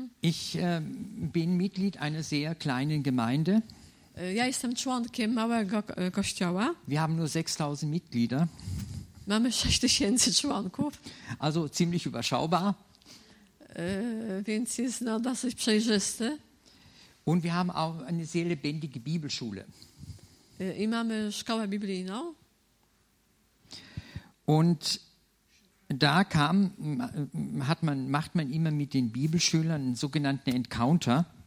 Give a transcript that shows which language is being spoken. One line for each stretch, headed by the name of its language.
German: Ich bin Mitglied einer sehr kleinen Gemeinde.
Polish: Ja jestem członkiem małego kościoła.
German: Wir haben nur 6000 Mitglieder.
Polish: Mamy 6000 członków.
German: Also ziemlich überschaubar.
Polish: Więc jest no, dosyć przejrzysty.
German: Und wir haben auch eine sehr lebendige Bibelschule.
Polish: I mamy szkołę biblijną.
German: Und da kam, hat man, macht man immer mit den Bibelschülern einen sogenannten Encounter.